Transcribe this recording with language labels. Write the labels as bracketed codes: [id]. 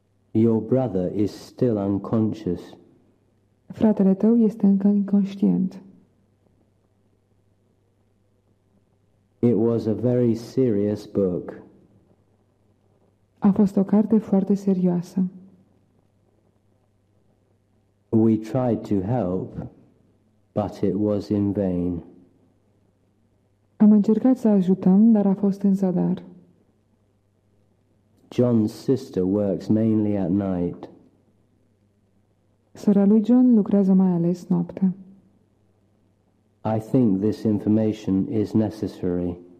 [en] Your brother is still unconscious. [ro] Fratele tău este încă inconștient. [en] It was a very serious book. [ro] A fost o carte foarte serioasă. [en] We tried to help, but it was in vain. [ro] Am încercat să ajutăm, dar a fost în zadar. [en] John's sister works mainly at night. [ro] Sora lui John lucrează mai ales noaptea. [en] I think this information is necessary.